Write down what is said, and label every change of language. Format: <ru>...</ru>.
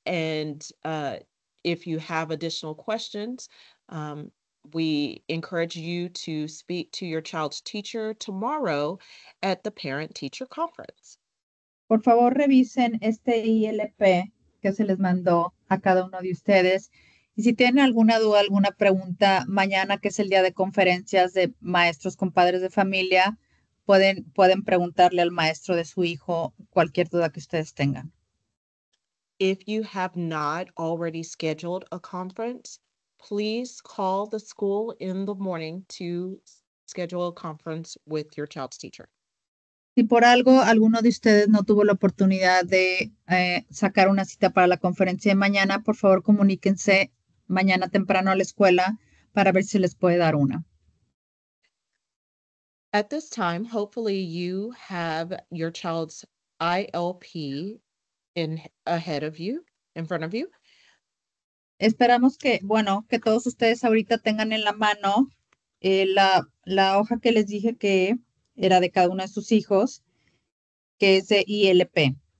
<en>And if you have additional questions, we encourage you to speak to your child's teacher tomorrow at the parent-teacher conference.</en> <es>Por favor, revisen este ILP que se les mandó a cada uno de ustedes. Y si tienen alguna duda, alguna pregunta, mañana, que es el día de conferencias de maestros con padres de familia, pueden preguntarle al maestro de su hijo cualquier duda que ustedes tengan.</es> <en>If you have not already scheduled a conference, please call the school in the morning to schedule a conference with your child's teacher.</en> <es>Si por algo alguno de ustedes no tuvo la oportunidad de sacar una cita para la conferencia de mañana, por favor, comuníquense mañana temprano a la escuela para ver si les puede dar una.</es> <en>At this time, hopefully you have your child's ILP in front of you.</en> <es>Esperamos que todos ustedes ahorita tengan en la mano la hoja que les dije que era de cada uno de sus hijos, que es de ILP.</es>